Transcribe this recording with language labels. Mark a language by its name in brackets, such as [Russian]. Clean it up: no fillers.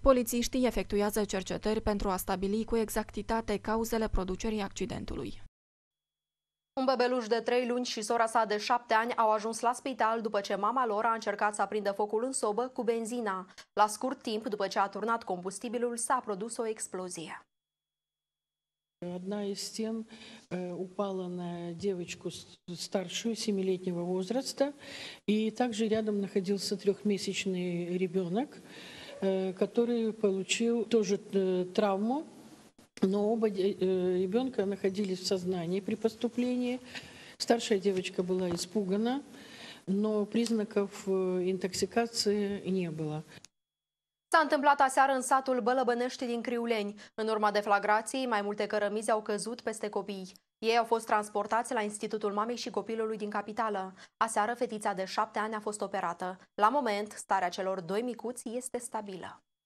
[Romanian] Polițiștii efectuează cercetări pentru a stabili cu exactitate cauzele producerii accidentului. Un bebeluș de 3 luni și sora sa de 7 ani au ajuns la spital după ce mama lor a încercat să aprindă focul în sobă cu benzina. La scurt timp, după ce a turnat combustibilul, s-a produs o explozie. [Russian] Одна из стен упала на девочку старшую 7-летнего возраста, и также рядом находился 3-месячный ребенок, который получил тоже травму, но оба ребенка находились в сознании при поступлении. Старшая девочка была испугана, но признаков интоксикации не было. [Romanian] S-a întâmplat aseară în satul Bălăbănești din Criuleni. În urma deflagrației, mai multe cărămizi au căzut peste copii. Ei au fost transportați la Institutul Mamei și Copilului din capitală. Aseară, fetița de 7 ani a fost operată. La moment, starea celor 2 micuți este stabilă.